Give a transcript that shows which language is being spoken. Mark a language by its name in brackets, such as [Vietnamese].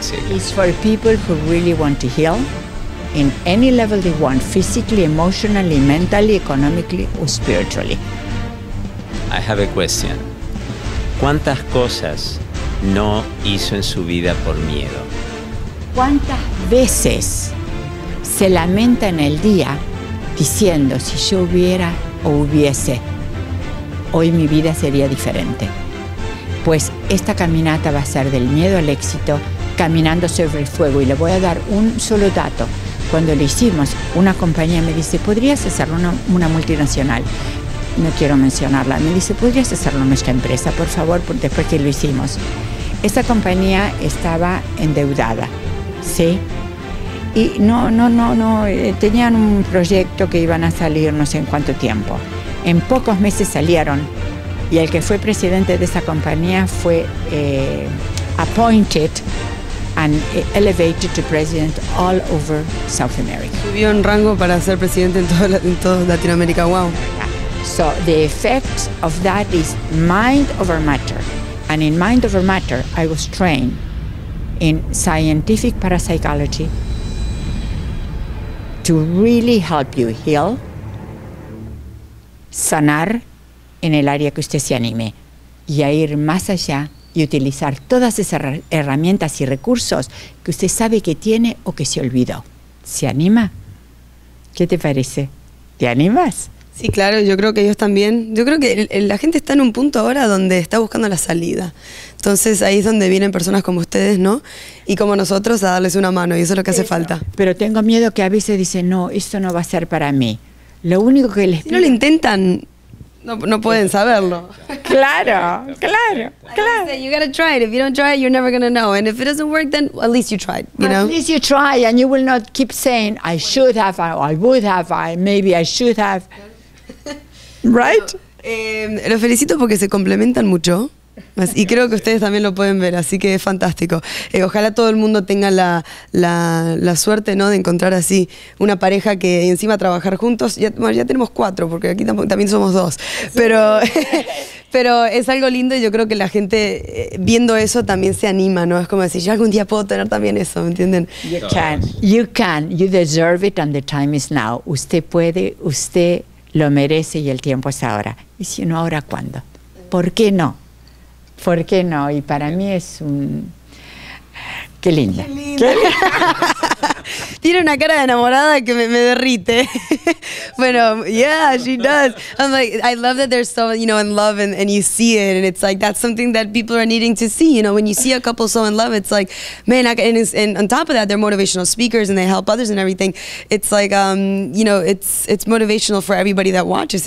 [English] It's for people who really want to heal in any level they want, physically, emotionally, mentally, economically, or spiritually. I have a question. [Spanish] ¿Cuántas cosas no hizo en su vida por miedo? ¿Cuántas veces se lamenta en el día diciendo, si yo hubiera o hubiese, hoy mi vida sería diferente? Pues esta caminata va a ser del miedo al éxito, caminando sobre el fuego. Y le voy a dar un solo dato. Cuando lo hicimos, una compañía me dice, ¿podrías hacerlo una multinacional? No quiero mencionarla. Me dice, ¿podrías hacerlo nuestra empresa, por favor, después que lo hicimos? Esta compañía estaba endeudada, ¿sí? Y no, tenían un proyecto que iban a salir no sé en cuánto tiempo. En pocos meses salieron y el que fue presidente de esa compañía fue [English] appointed and elevated to president all over South America. [Spanish] Subió en rango para ser presidente en toda Latinoamérica, wow. [English] So the effect of that is mind over matter. And in mind over matter, I was trained in scientific parapsychology to really help you heal, [Spanish] sanar en el área que usted se anime y a ir más allá y utilizar todas esas herramientas y recursos que usted sabe que tiene o que se olvidó. ¿Se anima? ¿Qué te parece? ¿Te animas? Sí, claro, yo creo que ellos también. Yo creo que la gente está en un punto ahora donde está buscando la salida. Entonces ahí es donde vienen personas como ustedes, ¿no? Y como nosotros a darles una mano, y eso es lo que hace falta. Pero tengo miedo que a veces dicen, no, esto no va a ser para mí. Lo único que les pido... Si no lo intentan, no pueden saberlo. Claro. [English] You gotta try it. If you don't try it, you're never gonna know. And if it doesn't work, then at least you tried, you know? At least you try, and you will not keep saying, I should have, I would have, maybe I should have. Right? [Spanish] Los felicito porque se complementan mucho. Y creo que ustedes también lo pueden ver, así que es fantástico. Ojalá todo el mundo tenga la suerte, ¿no?, de encontrar así una pareja que encima trabajar juntos. Ya tenemos cuatro, porque aquí también somos dos. Pero, pero es algo lindo y yo creo que la gente viendo eso también se anima, ¿no? Es como decir, yo algún día puedo tener también eso, ¿me entienden? [English] You can, you deserve it and the time is now. [Spanish] Usted puede, usted lo merece y el tiempo es ahora. Y si no ahora, ¿cuándo? ¿Por qué no? ¿Por qué no? Y para mí es un... ¡Qué linda! ¡Qué linda! Tiene una cara de enamorada que me derrite. [English] Bueno, yeah, she does. I'm like, I love that they're so, you know, in love and you see it. And it's like, that's something that people are needing to see. You know, when you see a couple so in love, it's like, man, and on top of that, they're motivational speakers and they help others and everything. It's like, you know, it's motivational for everybody that watches.